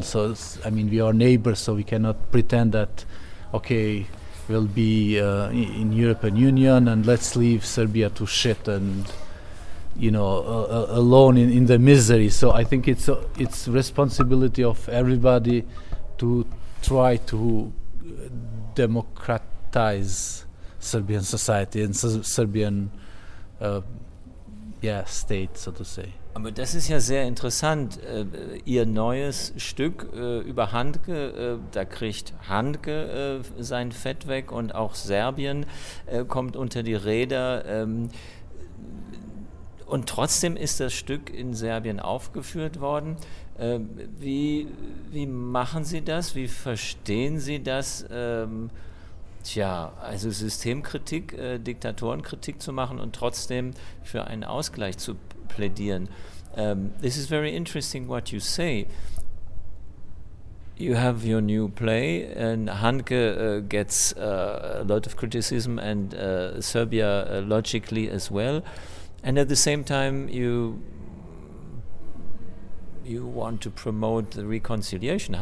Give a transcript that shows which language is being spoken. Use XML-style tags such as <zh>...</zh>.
<en>So I mean, we are neighbors, so we cannot pretend that, okay, we'll be in European Union and let's leave Serbia to shit and, you know, alone in the misery. So I think it's responsibility of everybody to try to democratize Serbian society and Serbian state, so to say.</en> <de>Aber das ist ja sehr interessant. Ihr neues Stück über Handke, da kriegt Handke sein Fett weg und auch Serbien kommt unter die Räder. Und trotzdem ist das Stück in Serbien aufgeführt worden. Wie machen Sie das? Wie verstehen Sie das? Tja, also Systemkritik, Diktatorenkritik zu machen und trotzdem für einen Ausgleich zu plädieren.</de> <en>This is very interesting what you say. You have your new play and Handke gets a lot of criticism and Serbia logically as well. And at the same time, you want to promote the reconciliation.</en>